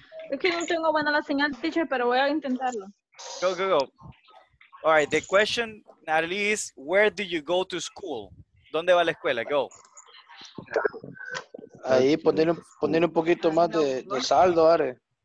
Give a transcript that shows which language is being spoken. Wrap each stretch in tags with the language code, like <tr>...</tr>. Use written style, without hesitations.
<es>Es que no tengo buena la señal, teacher, pero voy a intentarlo.</es> <en>Go, go, go. All right, the question, Natalie, is where do you go to school?</en> <es>¿Dónde va la escuela? Go. Ahí, poner un poquito más de saldo, Are.</es>